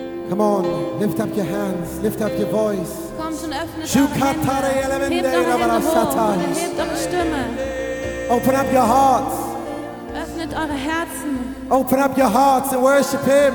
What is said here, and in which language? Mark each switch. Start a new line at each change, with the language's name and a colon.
English: Come on, lift up your hands, lift up your voice.
German: Kommt und öffnet Shukatare eure Hände. Hebt eure Stimme.
English: Open up your hearts.
German: Öffnet öffnet eure Herzen.
English: Open up your hearts and worship him.